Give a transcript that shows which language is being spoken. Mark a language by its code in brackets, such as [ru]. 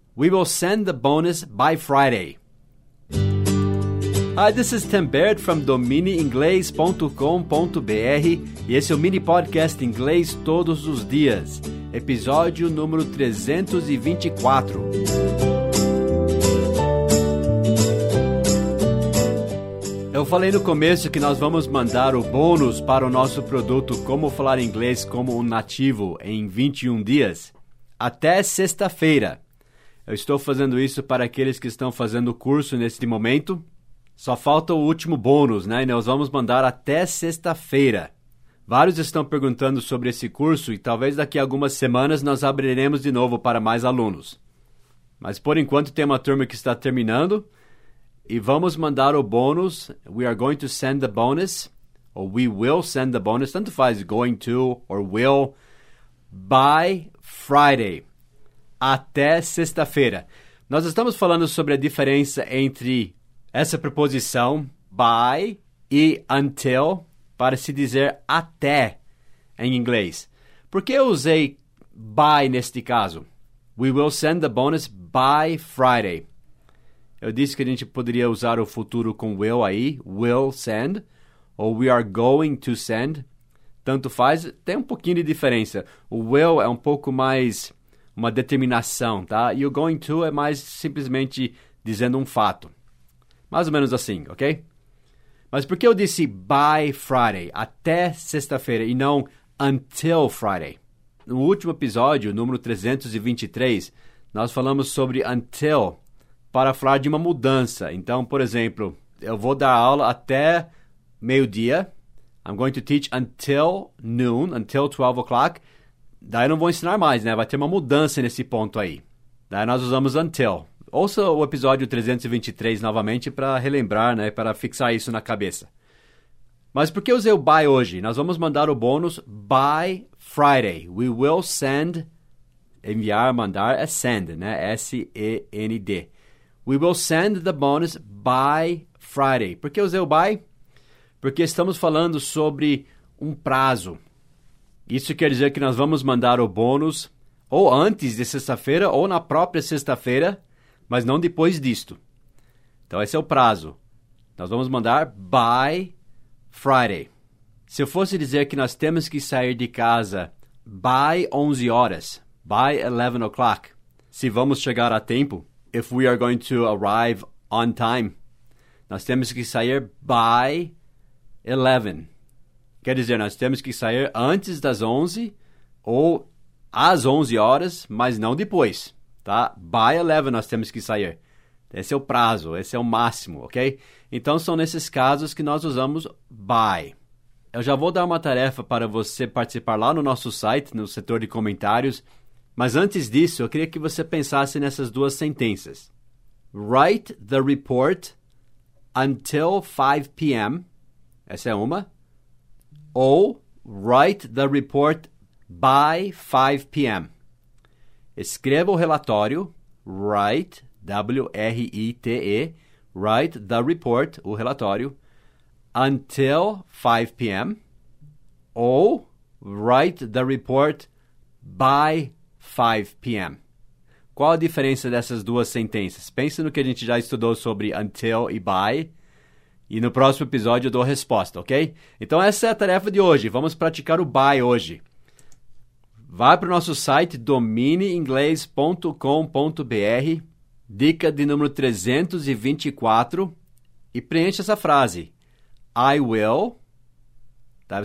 [en] We will send the bonus by Friday. Hi, this is Tim Baird from [pt] domineinglês.com.br e esse é o mini podcast Inglês Todos os Dias, episódio número 324. Eu falei no começo que nós vamos mandar o bônus para o nosso produto Como Falar Inglês como um Nativo em 21 dias, até sexta-feira. Eu estou fazendo isso para aqueles que estão fazendo o curso neste momento. Só falta o último bônus, né? E nós vamos mandar até sexta-feira. Vários estão perguntando sobre esse curso e talvez daqui a algumas semanas nós abriremos de novo para mais alunos. Mas por enquanto tem uma turma que está terminando e vamos mandar o bônus. [en] We are going to send the bonus, or we will send the bonus, [pt] tanto faz, [en] going to or will, by Friday. [pt] Até sexta-feira. Nós estamos falando sobre a diferença entre essa preposição by e until para se dizer até em inglês. Por que eu usei by neste caso? [en] We will send the bonus by Friday. [pt] Eu disse que a gente poderia usar o futuro com will aí, will send, ou [en] we are going to send. [pt] Tanto faz, tem um pouquinho de diferença. O will é um pouco mais uma determinação, tá? E o going to é mais simplesmente dizendo um fato. Mais ou menos assim, ok? Mas por que eu disse by Friday, até sexta-feira, e não until Friday? No último episódio, número 323, nós falamos sobre until para falar de uma mudança. Então, por exemplo, eu vou dar aula até meio-dia. [en] I'm going to teach until noon, until 12 o'clock. [pt] Daí eu não vou ensinar mais, né? Vai ter uma mudança nesse ponto aí. Daí nós usamos until. Ouça o episódio 323 novamente para relembrar, né? Para fixar isso na cabeça. Mas por que usei o by hoje? Nós vamos mandar o bônus [en] by Friday. We will send, [pt] enviar, mandar, é send, né? [en] S-E-N-D. We will send the bonus by Friday. [pt] Por que usei o by? Porque estamos falando sobre um prazo. Isso quer dizer que nós vamos mandar o bônus ou antes de sexta-feira ou na própria sexta-feira, mas não depois disto. Então, esse é o prazo. Nós vamos mandar by Friday. Se eu fosse dizer que nós temos que sair de casa by 11 horas, [en] by 11 o'clock, [pt] se vamos chegar a tempo, [en] if we are going to arrive on time, [pt] nós temos que sair by 11. Quer dizer, nós temos que sair antes das 11 ou às 11 horas, mas não depois. Tá? By 11 nós temos que sair. Esse é o prazo, esse é o máximo, ok? Então, são nesses casos que nós usamos by. Eu já vou dar uma tarefa para você participar lá no nosso site, no setor de comentários. Mas antes disso, eu queria que você pensasse nessas duas sentenças. [en] Write the report until 5 p.m. [pt] Essa é uma. [en] Ou write the report by 5 p.m. [pt] Escreva o relatório, [en] write, W-R-I-T-E, write the report, [pt] o relatório, [en] until 5 p.m. ou write the report by 5 p.m. [pt] Qual a diferença dessas duas sentenças? Pense no que a gente já estudou sobre until e by, e no próximo episódio eu dou a resposta, ok? Então essa é a tarefa de hoje, vamos praticar o by hoje. Vai para o nosso site domineinglês.com.br, dica de número 324, e preencha essa frase. [en] I will. [pt] Tá?